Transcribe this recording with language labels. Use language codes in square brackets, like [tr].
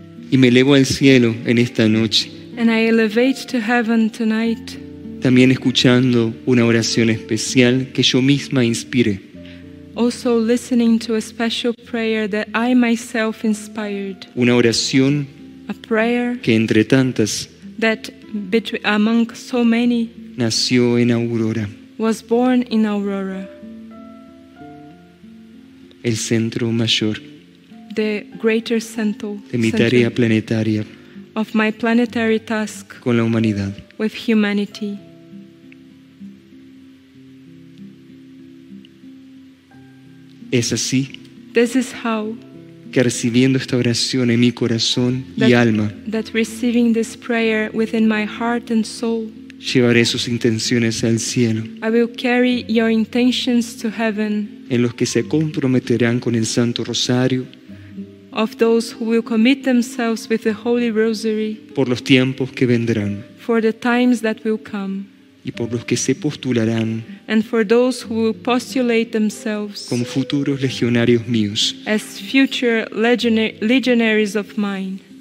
[es] Y me elevo al cielo en esta noche. [en] And I elevate to heaven tonight. [es] También escuchando una oración especial que yo misma inspiré. [en] Also listening to a special prayer that I myself inspired. [es] Una oración, [en] a prayer, [es] que entre tantas, [en] that among so many, [es] nació en Aurora. [en] Was born in Aurora. [es] El centro mayor. [en] The greater central. [es] De mi tarea planetaria. [en] Of my planetary task, [es] con la humanidad, [en] with humanity. [es] Es así, [en] this is how, [es] que recibiendo esta oración en mi corazón y alma, [en] that receiving this prayer within my heart and soul, [es] llevaré sus intenciones al cielo. [en] I will carry your intentions to heaven, [es] en los que se comprometerán con el Santo Rosario, [en] of those who will commit themselves with the Holy Rosary, [es] por los tiempos que vendrán, [en] for the times that will come, [es] y por los que se postularán, [en] and for those who will postulate themselves, [es] como futuros legionarios míos, [en] as future legionaries of mine.